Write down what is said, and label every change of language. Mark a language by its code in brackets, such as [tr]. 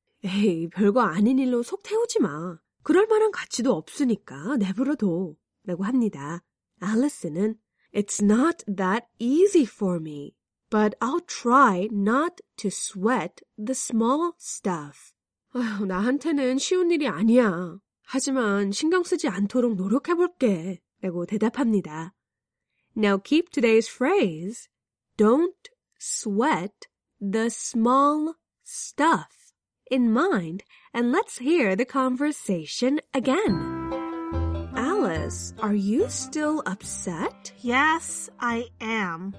[ko] 에이, 별거 아닌 일로 속 태우지 마. 그럴 만한 가치도 없으니까 내버려 둬. 라고 합니다. [en] Alice는 It's not that easy for me, but I'll try not to sweat the small stuff. [ko] 어휴, 나한테는 쉬운 일이 아니야. 하지만 신경 쓰지 않도록 노력해볼게. 라고 대답합니다. [en] Now keep today's phrase. Don't sweat the small stuff in mind and let's hear the conversation again. Alice, are you still upset? Yes, I am.